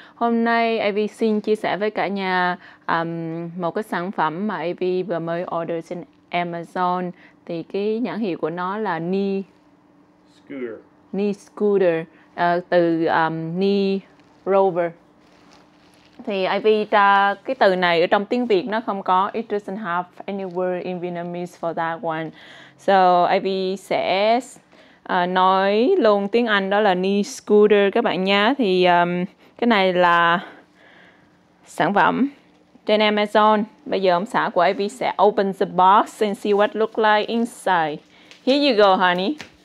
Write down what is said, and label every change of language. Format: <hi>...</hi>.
<vi>Hôm nay Ivy xin chia sẻ với cả nhà một cái sản phẩm mà Ivy vừa mới order trên Amazon. Thì cái nhãn hiệu của nó là Ni Scooter. Ni Scooter từ Ni Rover. Thì Ivy tra cái từ này ở trong tiếng Việt nó không có.</vi> <en>It doesn't have any word in Vietnamese for that one. So</en> <vi>Ivy sẽ nói luôn tiếng Anh, đó là Ni Scooter các bạn nhé. Thì cái này là sản phẩm trên Amazon. Bây giờ ông xã của Ivy sẽ</vi> <en>open the box and see what look like inside. Here you go, honey.</en>